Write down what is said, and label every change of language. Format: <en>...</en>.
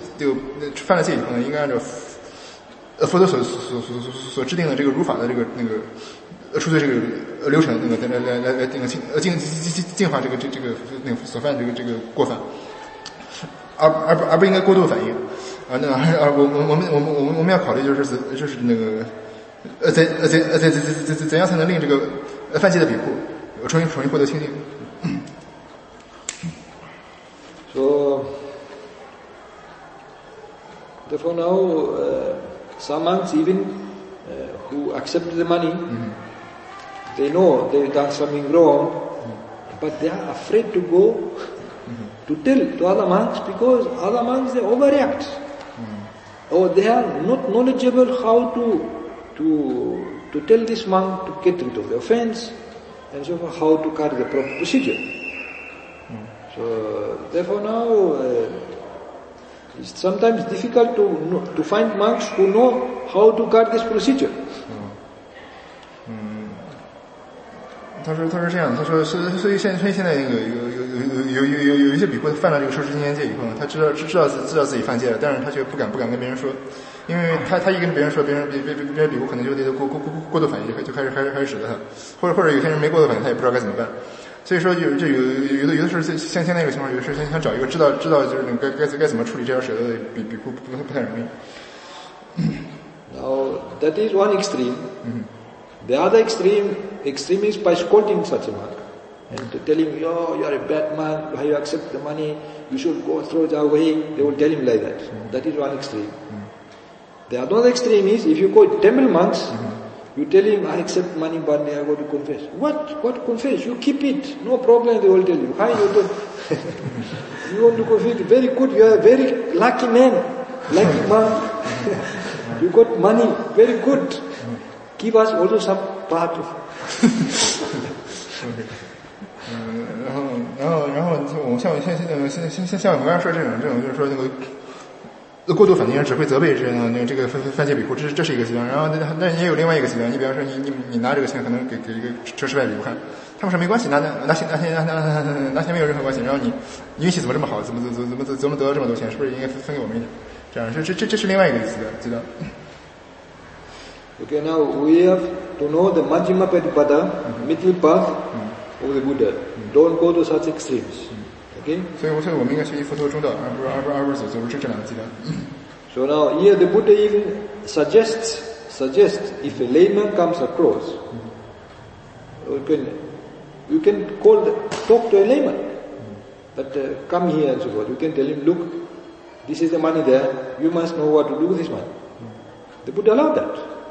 <zh>就犯了戒，可能应该按照佛陀所制定的这个如法的这个那个出的这个流程，那个净化这个那个所犯这个过犯，而不应该过度反应啊。那而我们要考虑就是那个怎样才能令这个犯戒的比库重新获得清净？</zh> <en>So, therefore now, some monks even, who accept the money, they know they've done something wrong, but they are afraid to go to tell to other monks because other monks, they overreact. Or they are not knowledgeable how to tell this monk to get rid of the offense, and so forth, how to carry the proper procedure. So, therefore now, it's sometimes difficult to find monks who know how to guard this procedure.</en> <zh>他说这样，他说所以现在那个有一些比库犯了这个受持清净戒以后呢，他知道自己犯戒了，但是他却不敢跟别人说，因为他一跟别人说，别人比库可能就过度反应，就开始指责他，或者有些人没过度反应，他也不知道该怎么办。所以说有的时候像现在这个情况，有的时候想找一个知道就是该怎么处理这条蛇的比库不太容易。</zh> <en>Now that is one extreme. The other extreme is by scolding such a man and telling him, oh, you are a bad man. Why you accept the money? You should go throw it away. They will tell him like that. That is one extreme. The other extreme is if you go temple monks. You tell him, I accept money, but I go to confess. What confess? You keep it. No problem, they will tell you. Hi, you don't. You want to confess? Very good. You are a very lucky man. Lucky man. You got money. Very good. Give us also some part of it. Okay.</en> <zh>然后我们像我刚才说这种就是说那个过度反应只会责备这个犯戒比库，这是一个极端。然后那也有另外一个极端，你比方说你拿这个钱可能给一个失败比库看，他们说没关系，拿钱没有任何关系。然后你运气怎么这么好，怎么得了这么多钱，是不是应该分给我们一点？这样这是另外一个极端。</zh> <en>Okay, now we have to know the Majjhima Patipada middle path of the Buddha. Don't go to such extremes. Okay.</en> <zh>所以我们应该学习佛陀中道，而不是走这两个极端。</zh> <en>So now here the Buddha even suggests if a layman comes across, you can talk to a layman, but come here and so forth. You can tell him, look, this is the money there. You must know what to do with this money. The Buddha allowed that.</en>